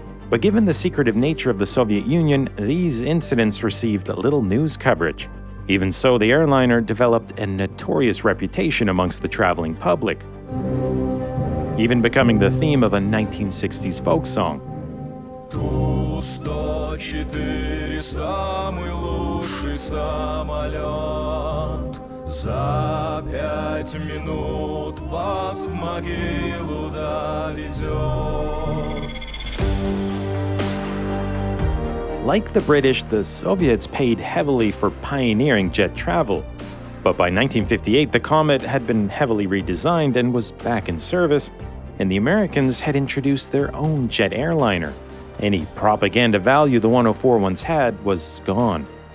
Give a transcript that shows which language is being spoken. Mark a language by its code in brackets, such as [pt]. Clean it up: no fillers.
[en] But given the secretive nature of the Soviet Union, these incidents received little news coverage. Even so, the airliner developed a notorious reputation amongst the traveling public, even becoming the theme of a 1960s folk song. [ru] Ту-104 – самый лучший самолет. За пять минут вас в могилу довезет. [en] Like the British, the Soviets paid heavily for pioneering jet travel. But by 1958, the Comet had been heavily redesigned and was back in service, and the Americans had introduced their own jet airliner. Any propaganda value the 104 once had was gone.